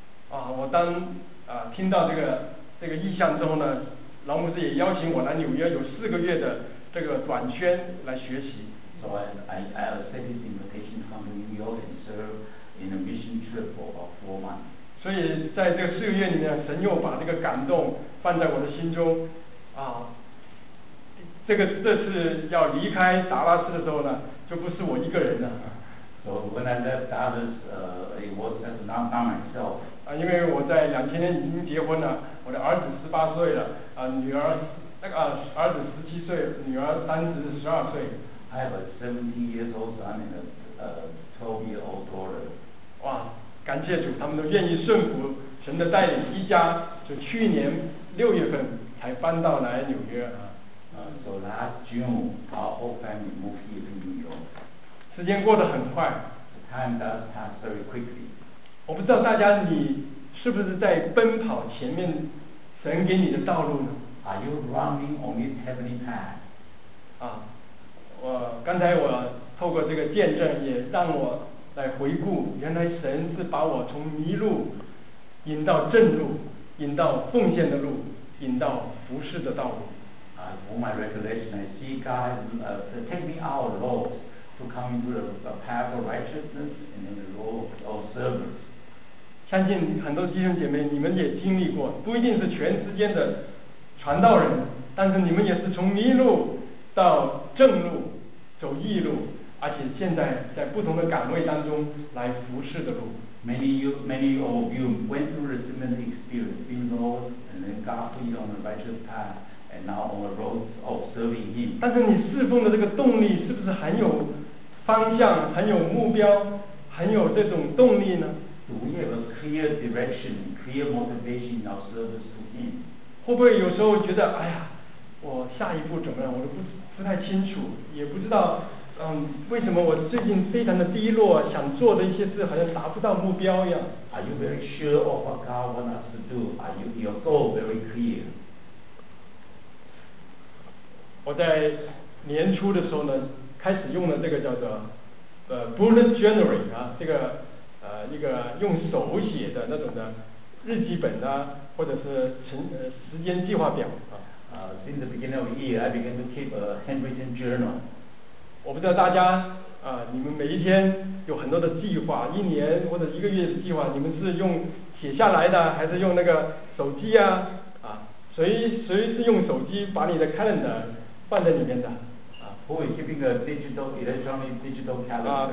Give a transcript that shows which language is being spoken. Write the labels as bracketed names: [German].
[Chinese] 啊，我当听到这个意向之后呢，劳牧师也邀请我来纽约有4个月的这个短宣来学习。 [English] So I accept his invitation to come to New York and serve in a mission trip for about 4 months. [Chinese] 所以在这个4个月里面，神又把这个感动放在我的心中，啊，这次要离开达拉斯的时候呢，就不是我一个人了。 [English] So when I left Dallas, it was just not by myself. [Chinese] 啊，因为我在2000年已经结婚了，我的儿子18岁了，啊，女儿那个儿子17岁，女儿32岁。 [English] I have a 17-year-old son and a 12-year-old daughter. [Chinese] 哇，感谢主，他们都愿意顺服神的带领，一家就去年6月份才搬到来纽约啊。 [English] So last June, our whole family moved here to New York. [Chinese] 时间过得很快。 [English] The time does pass very quickly. [Chinese] 我不知道大家你是不是在奔跑前面神给你的道路呢 [English] ？Are you running on this heavenly path? 啊。 [Chinese] 我刚才我透过这个见证也让我来回顾，原来神是把我从迷路引到正路，引到奉献的路，引到服事的道路。 [English] For my revelation, I see God take me out of roads to come into the path of righteousness and then the road of service. [Chinese] 相信很多弟兄姐妹你们也经历过，不一定是全世界的传道人，但是你们也是从迷路到正路，走义路，而且现在在不同的岗位当中来服侍的路。 [English] Many of you went through a similar experience, being lost and then guided on the righteous path, and now on the roads of serving Him. [Chinese] 但是你侍奉的这个动力是不是很有方向、很有目标、很有这种动力呢？ [English] Do we have a clear direction, clear motivation in our service to Him? [Chinese] 会不会有时候觉得，哎呀，我下一步怎么样，我都不太清楚，也不知道。为什么我最近非常的低落，想做的一些事好像达不到目标一样。 [English] Are you very sure of what God wants us to do? Are you your goal very clear? [Chinese] 我在年初的时候呢，开始用了这个叫做bullet journaling 啊，这个一个用手写的那种的日记本啊，或者是时间计划表啊。 [English] Since the beginning of the year, I began to keep a handwritten journal. [Chinese] 我不知道大家你们每一天有很多的计划，一年或者一个月的计划，你们是用写下来的还是用那个手机啊？谁是用手机把你的 calendar 放在里面的？ [English] Who is keeping a digital electronic digital calendar？